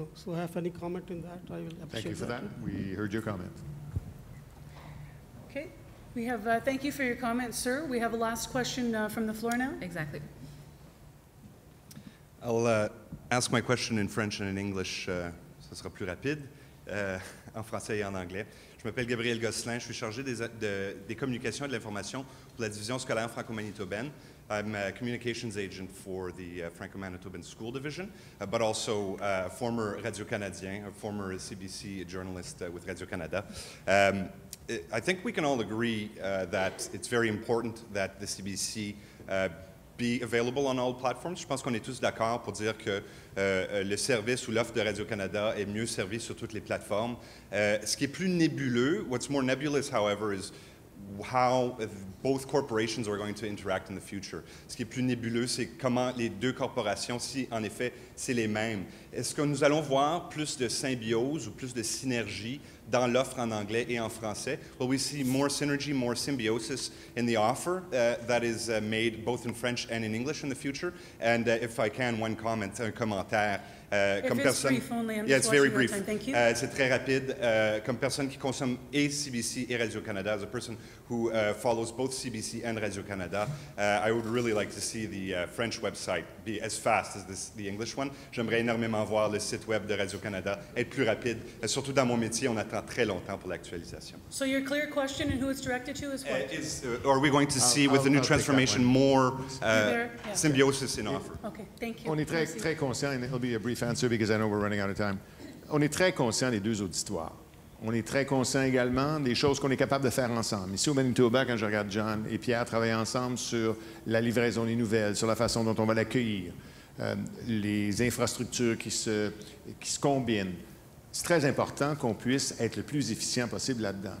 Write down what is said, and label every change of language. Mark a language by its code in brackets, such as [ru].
[en] So if I have any comment in that, I will appreciate that. Thank you for that. We heard your comment. Okay, we have, thank you for your comments, sir. We have a last question from the floor now. Exactly. I'll ask my question in French and in English. [fr] Ce sera plus rapide, en français et en anglais. Je m'appelle Gabriel Gosselin. Je suis chargé des communications et de l'information pour la division scolaire franco-manitobaine. [en] I'm a communications agent for the Franco-Manitoban School Division, but also a former Radio-Canadien, a former CBC journalist with Radio-Canada. I think we can all agree that it's very important that the CBC be available on all platforms. [fr] Je pense qu'on est tous d'accord pour dire que le service ou l'offre de Radio-Canada est mieux servi sur toutes les plateformes. Ce qui est plus nébuleux, [en] what's more nebulous, however, is how both corporations are going to interact in the future. [fr] Ce qui est plus nébuleux, c'est comment les deux corporations, si en effet c'est les mêmes. Est-ce que nous allons voir plus de symbiose ou plus de synergie dans l'offre en anglais et en français? [en] Will we see more synergy, more symbiosis in the offer that is made both in French and in English in the future? And if I can, one comment, [fr] un commentaire. [en] Comme it's personne, brief only, I'm yeah, it's very brief. Thank you. [fr] C'est très rapide. Comme personne qui consomme et CBC et Radio-Canada, [en] as a person who follows both CBC and Radio-Canada, I would really like to see the French website be as fast as the English one. [fr] J'aimerais énormément voir le site web de Radio-Canada être plus rapide. Surtout dans mon métier, on attend très longtemps pour l'actualisation. [en] So your clear question and who it's directed to is what? Are we going to see with the new transformation more symbiosis in offer? Okay, thank you. [fr] On est très, très conscient, [en] and it'll be a brief answer because I know we're running out of time. [fr] On est très conscient des deux auditoires. On est très conscient également des choses qu'on est capable de faire ensemble. Ici au Manitoba, quand je regarde John et Pierre travailler ensemble sur la livraison des nouvelles, sur la façon dont on va l'accueillir, les infrastructures qui se combinent, c'est très important qu'on puisse être le plus efficient possible là-dedans.